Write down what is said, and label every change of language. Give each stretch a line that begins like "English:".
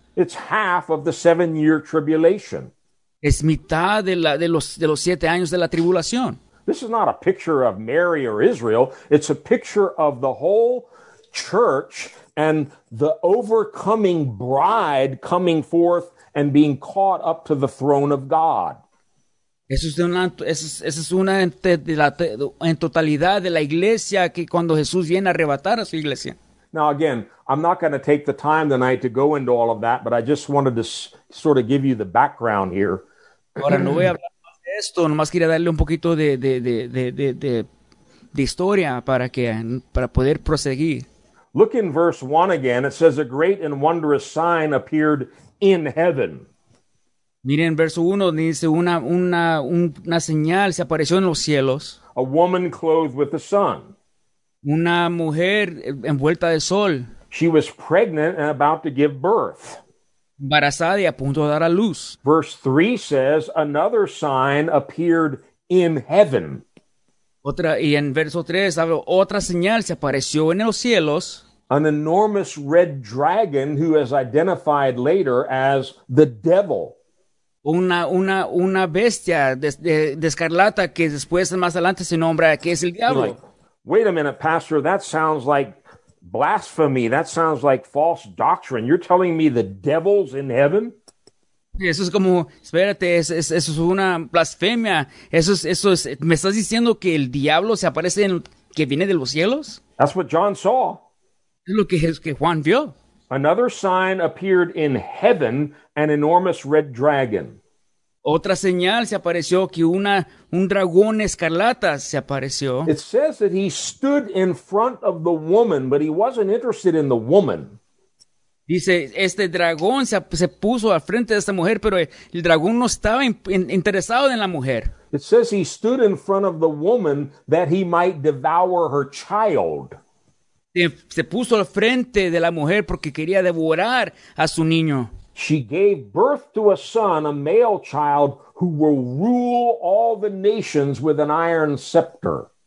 English: It's half of the 7-year tribulation.
Spanish: Es mitad de los 7 años de la tribulación.
English: This is not a picture of Mary or Israel. It's a picture of the whole church and the overcoming bride coming forth and being caught up to the throne of God.
Spanish: Eso es una en totalidad de la iglesia que cuando Jesús viene a arrebatar a su iglesia.
English: Now again, I'm not going to take the time tonight to go into all of that, but I just wanted to sort of give you the background here.
Spanish: Ahora no voy a hablar más de esto, nomás quería darle un poquito de historia para poder proseguir.
English: Look in verse 1 again. It says a great and wondrous sign appeared in heaven.
Spanish: Miren verso 1, dice una señal se apareció en los cielos.
English: A woman clothed with the sun.
Spanish: Una mujer envuelta de sol.
English: She was pregnant and about to give birth.
Spanish: Embarazada y a punto de dar a luz.
English: Verse 3 says another sign appeared in heaven.
Spanish: Otra, y en verso 3 habla otra señal se apareció en los cielos.
English: An enormous red dragon who is identified later as the devil.
Spanish: Una bestia de escarlata que después más adelante se nombra que es el diablo.
English: Like, wait a minute, pastor, that sounds like blasphemy. That sounds like false doctrine. You're telling me the devil's in heaven?
Spanish: Eso es como, espérate, eso es una blasfemia. Eso es, ¿me estás diciendo que el diablo se aparece en que viene de los cielos?
English: That's what John saw.
Spanish: Es lo que Juan vio.
English: Another sign appeared in heaven, an enormous red dragon.
Spanish: Otra señal se apareció que un dragón escarlata se apareció.
English: It says that he stood in front of the woman, but he wasn't interested in the woman.
Spanish: Dice, este dragón se puso al frente de esta mujer, pero el dragón no estaba interesado en la mujer.
English: It says he stood in front of the woman that he might devour her child.
Spanish: Se puso al frente de la mujer porque quería devorar a su niño.
English: She gave birth to a son, a male child, who will rule all the nations with an iron scepter.